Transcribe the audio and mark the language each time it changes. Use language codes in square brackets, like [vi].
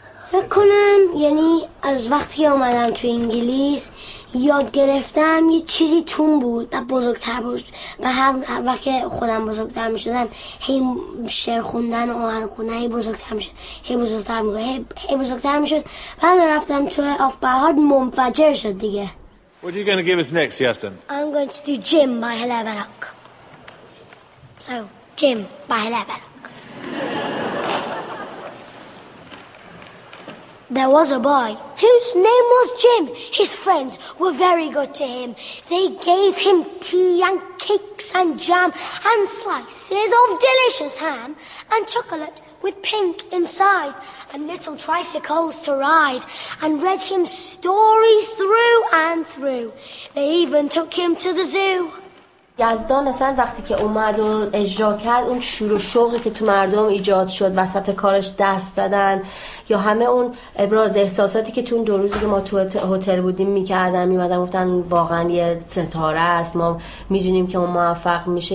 [fa] فکر کنم یعنی از وقتی اومدم تو انگلیس یاد گرفتم یه چیزی توم بود و بزرگتر بود و هر وقت خودم بزرگتر می شدم هی شعر خوندن و آهنگ خوندن هی بزرگتر می شد بعد رفتم تو آف بای هارت منفجر شد دیگه. [en] What are you going to give us next, Yazdan? I'm going to do Jim by Hilaire Belloc. So, Jim by Hilaire Belloc. There was a boy whose name was Jim. His friends were very good to him. They gave him tea and cakes and jam and slices of delicious ham and chocolate with pink inside and little tricycles to ride and read him stories through and through. They even took him to the zoo. [fa] یزدان اصلا وقتی که اومد و اجرا کرد، اون شور و شوقی که تو مردم ایجاد شد، وسط کارش دست دادن یا همه اون ابراز احساساتی که تو اون 2 روزی که ما تو هتل بودیم میکردن، میمدن گفتن واقعا یه ستاره است، ما میدونیم که اون موفق میشه.